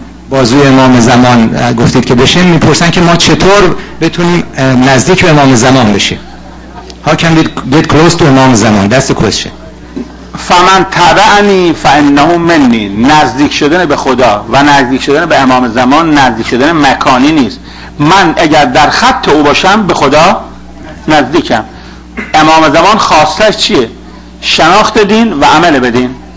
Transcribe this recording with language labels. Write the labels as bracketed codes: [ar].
[fa] بازوی امام زمان گفتید که بشین، میپرسن که ما چطور بتونیم نزدیک به امام زمان بشیم. [en] How can we get close to امام زمان؟ That's the question. [ar] فمن تبعنی فانه منی. [fa] نزدیک شدن به خدا و نزدیک شدن به امام زمان نزدیک شدن مکانی نیست. من اگر در خط او باشم به خدا نزدیکم. امام زمان خواستش چیه؟ شناخت دین و عمل بدین.